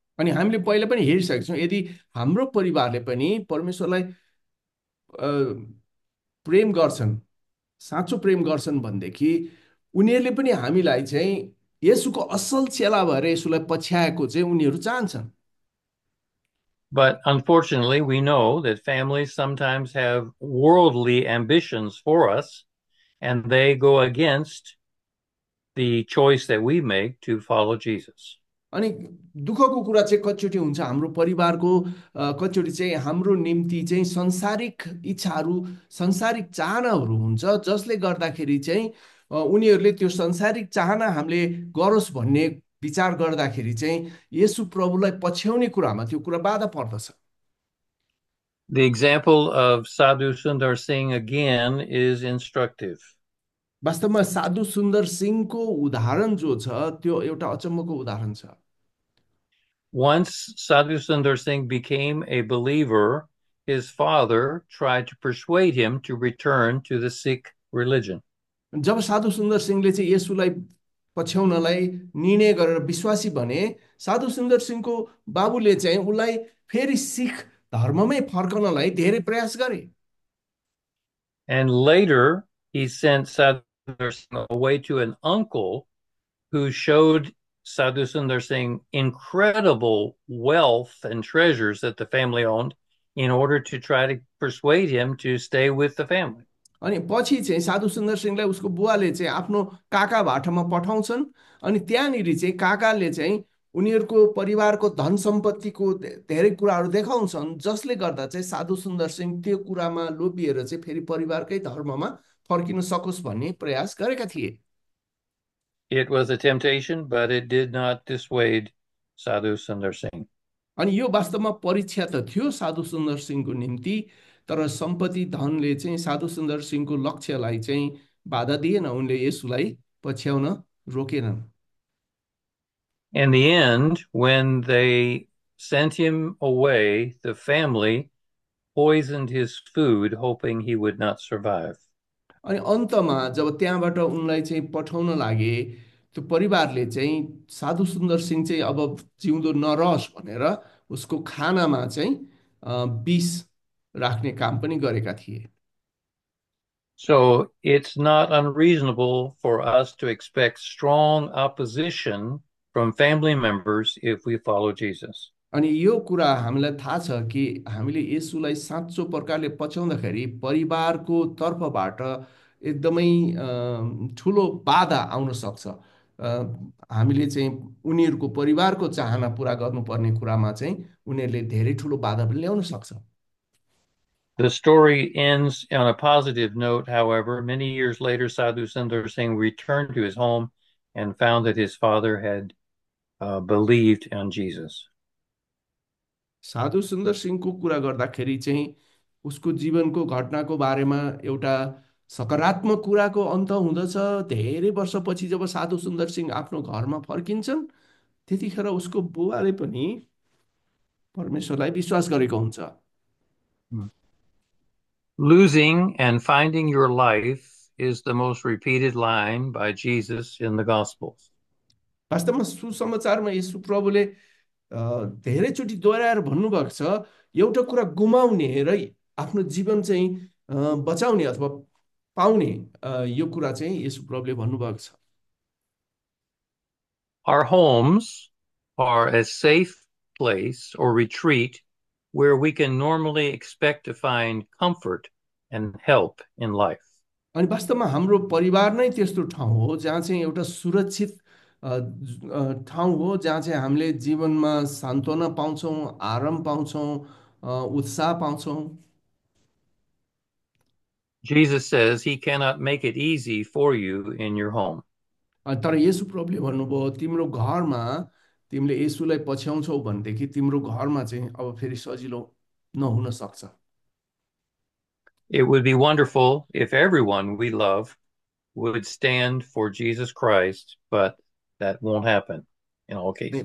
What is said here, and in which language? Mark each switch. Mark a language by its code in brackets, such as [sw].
[ne] अनि हामीले पहिले पनि हेरिसकेका छौँ यदि हाम्रो परिवारले पनि परमेश्वरलाई प्रेम गर्छन् साँचो प्रेम गर्छन् भनेदेखि उनीहरूले पनि हामीलाई चाहिँ येशूको असल चेला भएर येशूलाई पछ्याएको चाहिँ उनीहरू चाहन्छन्। [en] But unfortunately, we know that families sometimes have worldly ambitions for us, and they go against the choice that we make to follow Jesus. [ne] अनि दुःखको कुरा चाहिँ कतिचोटि हुन्छ हाम्रो परिवारको कतिचोटि चाहिँ हाम्रो निम्ति चाहिँ संसारिक इच्छाहरू संसारिक चाहनाहरू हुन्छ जसले गर्दाखेरि चाहिँ उनीहरूले त्यो संसारिक चाहना हामीले गरोस् भन्ने विचार गर्दाखेरि चाहिँ येशू प्रभुलाई पछ्याउने कुरामा त्यो कुरा बाधा पर्दछ। [en] The example of Sadhu Sundar Singh again is instructive. [ne] वास्तवमा साधु सुन्दर सिंहको उदाहरण जो छ त्यो एउटा अचम्मको उदाहरण छ। [en] Once Sadhu Sundar Singh became a believer, His father tried to persuade him to return to the Sikh religion. [ne] जब साधु सुन्दर सिंहले चाहिँ यसुलाई पछ्याउनलाई निर्णय गरेर विश्वासी भने साधु सुन्दर सिंहको बाबुले चाहिँ उसलाई फेरि सिख धर्ममै फर्कनलाई धेरै प्रयास गरे। [en] And later, he sent Sadhu Singh away to an uncle who showed Sadhu Sundar Singh incredible wealth and treasures that the family owned in order to try to persuade him to stay with the family. [ne] अनि पछि चाहिँ साधु सुन्दर सिंहलाई उसको बुवाले चाहिँ आफ्नो काका भाटामा पठाउँछन् अनि त्यहाँनिर चाहिँ काकाले चाहिँ उनीहरूको परिवारको धन सम्पत्तिको धेरै कुराहरू देखाउँछन् जसले गर्दा चाहिँ साधु सुन्दर सिंह त्यो कुरामा लोभिएर चाहिँ फेरि परिवारकै धर्ममा फर्किन सकोस् भन्ने प्रयास गरेका थिए। [en] It was a temptation, but it did not dissuade Sadhu Sundar Singh. [ne] अनि यो वास्तवमा परीक्षा त थियो साधु सुन्दर सिंहको निम्ति, तर सम्पत्ति धनले चाहिँ साधु सुन्दर सिंहको लक्ष्यलाई चाहिँ बाधा दिएन, उनले यसुलाई पछ्याउन रोकेनन्। [en] In the end, when they sent him away, the family poisoned his food, hoping he would not survive. [ne] अनि अन्तमा जब त्यहाँबाट उनलाई चाहिँ पठाउन लागे त्यो परिवारले चाहिँ साधु सुन्दर सिंह चाहिँ अब जिउँदो नरहोस् भनेर उसको खानामा चाहिँ विष राख्ने काम पनि गरेका थिए। [en] So it's not unreasonable for us to expect strong opposition from family members if we follow Jesus. [ne] अनि यो कुरा हामीलाई थाहा छ कि हामीले यीशुलाई साँचो प्रकारले पछ्याउँदाखेरि परिवारको तर्फबाट एकदमै ठुलो बाधा आउन सक्छ। हामीले चाहिँ उनीहरूको परिवारको चाहना पुरा गर्नुपर्ने कुरामा चाहिँ उनीहरूले धेरै ठुलो बाधा पनि ल्याउन सक्छ। [en] The story ends on a positive note, however. Many years later, Sadhu Sundar Singh returned to his home and found that his father had believed on Jesus. [ne] साधु सुन्दर सिंहको कुरा गर्दाखेरि चाहिँ उसको जीवनको घटनाको बारेमा एउटा सकारात्मक कुराको अन्त हुँदछ। धेरै वर्षपछि जब साधु सुन्दर सिंह आफ्नो घरमा फर्किन्छन् त्यतिखेर उसको बुवाले पनि परमेश्वरलाई विश्वास गरेको हुन्छ। [en] Losing and finding your life is the most repeated line by Jesus in the Gospels. [ne] वास्तवमा सुसमाचारमा येशु प्रभुले धेरै चोटि दोहोऱ्याएर भन्नुभएको छ एउटा कुरा गुमाउने र आफ्नो जीवन चाहिँ बचाउने अथवा पाउने यो कुरा चाहिँ यसुप्रभुले भन्नुभएको छ। [en] Our homes are a safe place or retreat where we can normally expect to find comfort and help in life. [ne] अनि वास्तवमा हाम्रो परिवार नै त्यस्तो ठाउँ हो जहाँ चाहिँ एउटा सुरक्षित ठाउँ हो जहाँ चाहिँ हामीले जीवनमा सान्त्वना पाउँछौँ, आराम पाउँछौँ, उत्साह पाउँछौँ। [en] Jesus says he cannot make it easy for you in your home. [ne] तर येसु प्रभुले भन्नुभयो तिम्रो घरमा तिमीले येसुलाई पछ्याउँछौ भनेदेखि तिम्रो घरमा चाहिँ अब फेरि सजिलो नहुन सक्छ। [en] It would be wonderful if everyone we love would stand for Jesus Christ, but that won't happen in all cases.